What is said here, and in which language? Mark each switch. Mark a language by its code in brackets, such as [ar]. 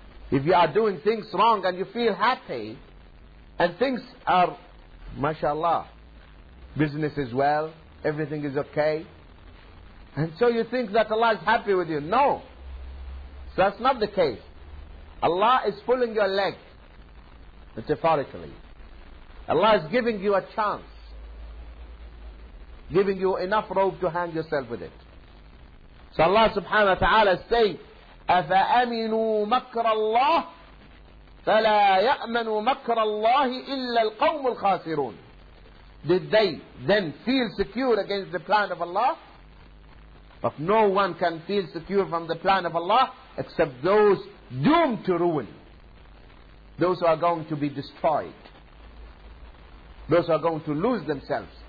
[en] If you are doing things wrong and you feel happy, and things are, mashallah, business is well, everything is okay, and so you think that Allah is happy with you. No. So that's not the case. Allah is pulling your leg, metaphorically. Allah is giving you a chance, giving you enough rope to hang yourself with it. So Allah subhanahu wa ta'ala say, [ar] أَفَأَمِنُوا مَكْرَ اللَّهِ فَلَا يَأْمَنُوا مَكْرَ اللَّهِ إِلَّا الْقَوْمُ الْخَاسِرُونَ. [en] Did they then feel secure against the plan of Allah? But no one can feel secure from the plan of Allah except those doomed to ruin. Those who are going to be destroyed. Those who are going to lose themselves.